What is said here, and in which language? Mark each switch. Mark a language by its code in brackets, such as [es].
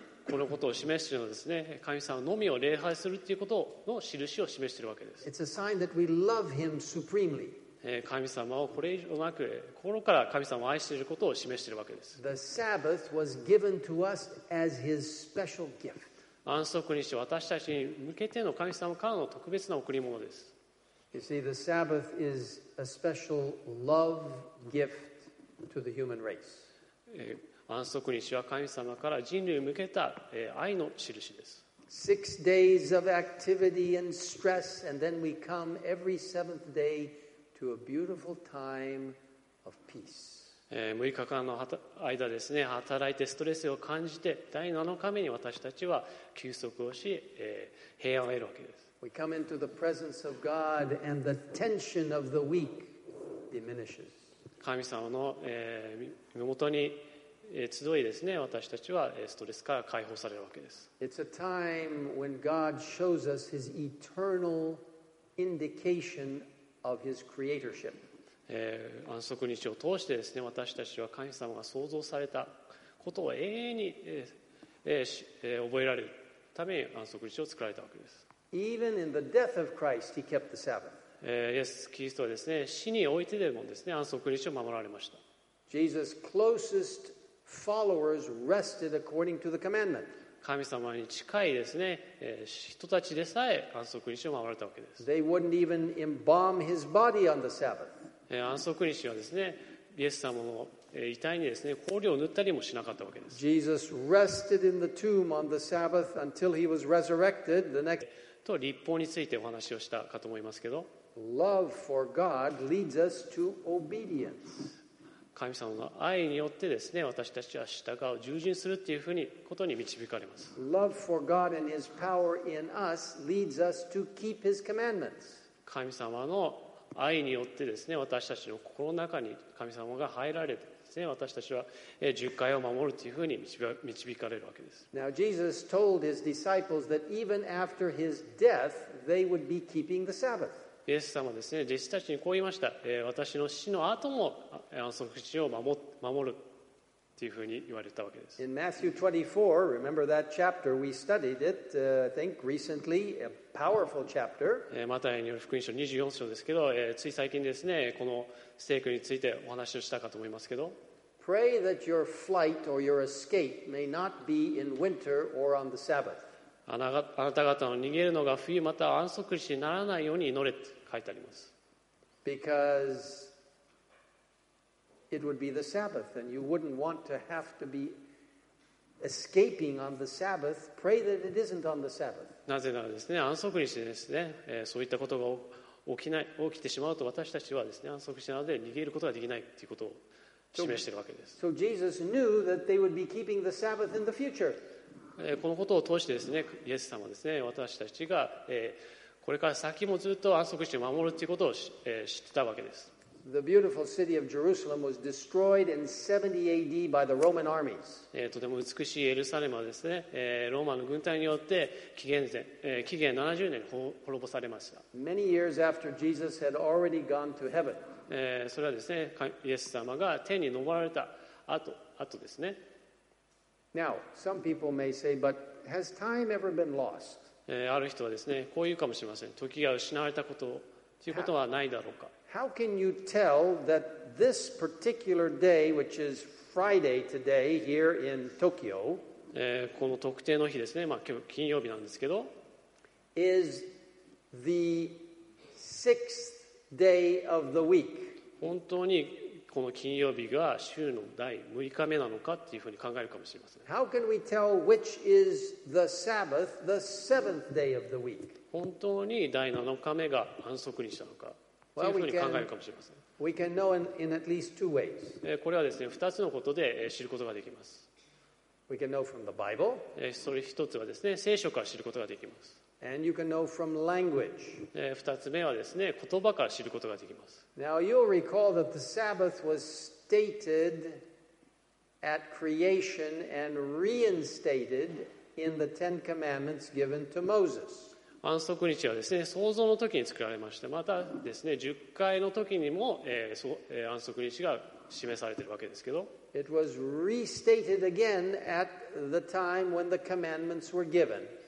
[ja] このことを示しているのはですね、神様のみを礼拝するということの印を示しているわけです。 [en] It's a sign that we love Him supremely. [ja] 神様をこれ以上なく心から神様を愛していることを示しているわけです。 [en] The Sabbath was given to us as His special gift. [ja] 安息日は私たちに向けての神様からの特別な贈り物です。 [en] You see, the Sabbath is a special love gift to the human race. [ja] 安息日は神様から人類に向けた愛の印です。 [en] Six days of activity and stress, and then we come every seventh day. To a beautiful time of peace. [ja] 6日間の間ですね、働いてストレスを感じて、第7日目に私たちは休息をし、平安を得るわけです。 [en] We come into the presence of God and the tension of the week diminishes. [ja] 神様の身元に集いですね、私たちはストレスから解放されるわけです。 [en] It's a time when God shows us His eternal indication. Of his creatorship. [ja] 安息日を通してですね、私たちは神様が創造されたことを永遠に、覚えられるために安息日を作られたわけです。 [en] Even in the death of Christ, he kept the Sabbath. [ja] イエス・キリストはですね、死においてでもですね、安息日を守られました。 [en] Jesus' closest followers rested according to the commandment. [ja] 神様に近いですね、人たちでさえ安息日を守れたわけです。 [en] They wouldn't even embalm his body on the Sabbath. [ja] 安息日はですね、イエス様の遺体にですね、香料を塗ったりもしなかったわけです。 [en] Jesus rested in the tomb on the Sabbath until he was resurrected the next day. [ja] と立法についてお話をしたかと思いますけど。 [en] Love for God leads us to obedience. [ja] 神様の愛によってですね、私たちは従う、従順するというふうにことに導かれます。 [en] Love for God and His power in us leads us to keep His commandments. [ja] 神様の愛によってですね、私たちの心の中に神様が入られてですね、私たちは十戒を守るというふうに導かれるわけです。 [en] Now Jesus told His disciples that even after His death, they would be keeping the Sabbath. [ja] イエス様はですね、弟子たちにこう言いました。私の死の後も安息日を守るというふうに言われたわけです。 [en] In Matthew 24, remember that chapter we studied it, I think recently, a powerful chapter. [ja] マタイによる福音書24章ですけど、つい最近ですね、この聖句についてお話をしたかと思いますけど。 [en] Pray that your flight or your escape may not be in winter or on the Sabbath. [ja] あなた方の逃げるのが冬または安息日にならないように祈れと書いてあります。 [en] Because it would be the Sabbath and you wouldn't want to have to be escaping on the Sabbath. Pray that it isn't on the Sabbath. [ja] なぜならですね、安息日ですね、そういったことが起きてしまうと私たちはですね、安息日なので逃げることができないということを示しているわけです。 [en] So Jesus knew that they would be keeping the Sabbath in the future. [ja] このことを通してですね、イエス様はですね、私たちがこれから先もずっと安息日を守るということを知ってたわけです。 [en] The beautiful city of Jerusalem was destroyed in 70 AD by the Roman armies. [ja] とても美しいエルサレムはですね、ローマの軍隊によって紀元70年に滅ぼされました。 [en] Many years after Jesus had already gone to heaven. [ja] それはですね、イエス様が天に昇られた後ですね。 [en] Now, some people may say, but has time ever been lost? [ja] ある人はですね、こう言うかもしれません。時が失われたこと、ということはないだろうか。 [en] How can you tell that this particular day, which is Friday today here in Tokyo, [ja] この特定の日ですね、まあ今日金曜日なんですけど、 [en] is the sixth day of the week? [ja] 本当にこの金曜日が週の第6日目なのかっていうふうに考えるかもしれません。 [en] How can we tell which is the Sabbath, the seventh day of the week? [ja] 本当に第7日目が安息日なのかっていうふうに考えるかもしれません。 [en] Well, we can know in at least two ways. [ja] これはですね、2つのことで知ることができます。 [en] We can know from the Bible. [ja] それ一つはですね、聖書から知ることができます。 [en] And you can know from language. [ja] 二つ目はですね、言葉から知ることができます。 [en] Now you'll recall that the Sabbath was stated at creation and reinstated in the Ten Commandments given to Moses. [ja] 安息日はですね、創造の時に作られまして、またですね、十戒の時にも、安息日が示されているわけですけど。 [en] It was restated again at the time when the commandments were given.